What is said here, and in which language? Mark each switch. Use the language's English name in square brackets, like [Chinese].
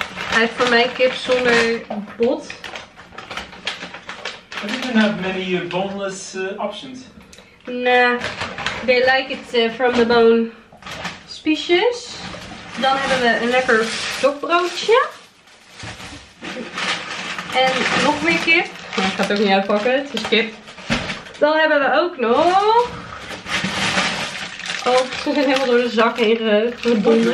[Dutch] Hij heeft voor mij kip zonder bot. [English] I didn't have many boneless options. Nah, they like it from the bone species. [Dutch] Dan hebben we een lekker stokbroodje. En nog meer kip. Maar ik ga het ook niet uitpakken, het is kip. Dan hebben we ook nog... Oh, ze zijn helemaal door de zak heen gebonden.